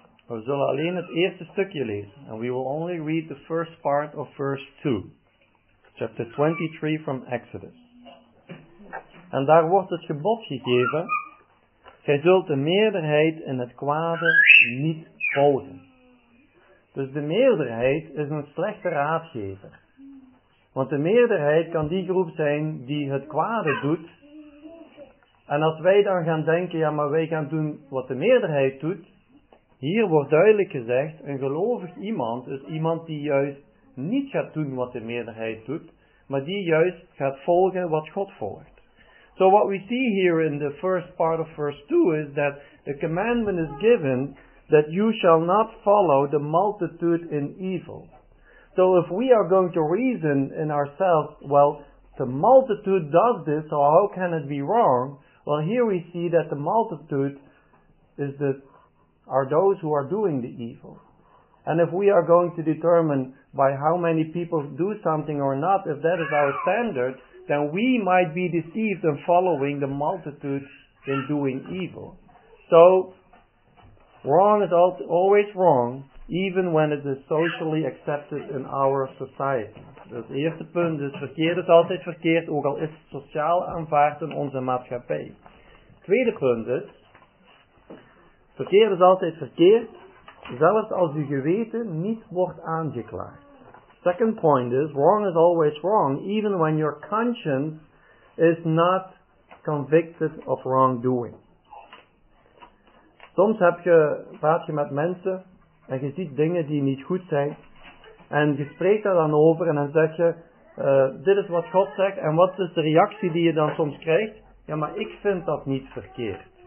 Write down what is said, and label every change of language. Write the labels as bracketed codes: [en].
[nl] We zullen alleen het eerste stukje lezen. [en] And we will only read the first part of verse 2. Chapter 23 from Exodus. [nl] En daar wordt het gebod gegeven. Gij zult de meerderheid in het kwade niet volgen. Dus de meerderheid is een slechte raadgever. Want de meerderheid kan die groep zijn die het kwade doet. En als wij dan gaan denken, ja maar wij gaan doen wat de meerderheid doet. Hier wordt duidelijk gezegd, een gelovig iemand is iemand die juist niet gaat doen wat de meerderheid doet, maar die juist gaat volgen wat God volgt. [en] So what we see here in the first part of verse 2 is that the commandment is given that you shall not follow the multitude in evil. So if we are going to reason in ourselves, well, the multitude does this, so how can it be wrong? Well, here we see that the multitude is the are those who are doing the evil. And if we are going to determine by how many people do something or not, if that is our standard, then we might be deceived in following the multitude in doing evil. So, wrong is always wrong, even when it is socially accepted in our society. [nl] Dus het eerste punt is, verkeerd is altijd verkeerd, ook al is het sociaal aanvaard in onze maatschappij. Tweede punt is, verkeerd is altijd verkeerd, zelfs als uw geweten niet wordt aangeklaagd. [en] Second point is, wrong is always wrong, even when your conscience is not convicted of wrongdoing. [nl] Soms praat je met mensen en je ziet dingen die niet goed zijn. En je spreekt daar dan over en dan zeg je, dit is wat God zegt. En wat is de reactie die je dan soms krijgt? Ja, maar ik vind dat niet verkeerd.